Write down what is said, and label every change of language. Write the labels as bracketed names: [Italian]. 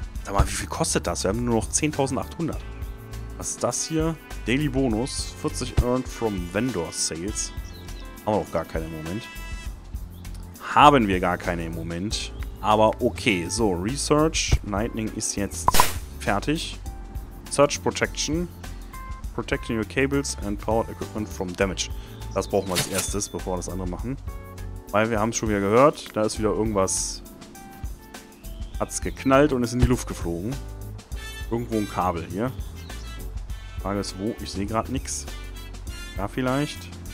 [German] Sag mal, wie viel kostet das? Wir haben nur noch 10.800. Was ist das hier? Daily Bonus. 40 [English] earned from Vendor Sales. [German] Haben wir auch gar keine im Moment. Haben wir gar keine im Moment. Aber okay, so, Research, Lightning ist jetzt fertig. [English] Search Protection, Protecting your Cables and Powered Equipment from Damage. [German] Das brauchen wir als erstes, bevor wir das andere machen. Weil wir haben es schon wieder gehört, da ist wieder irgendwas, hat es geknallt und ist in die Luft geflogen. Irgendwo ein Kabel hier. Frage ist wo, ich sehe gerade nichts. Da vielleicht?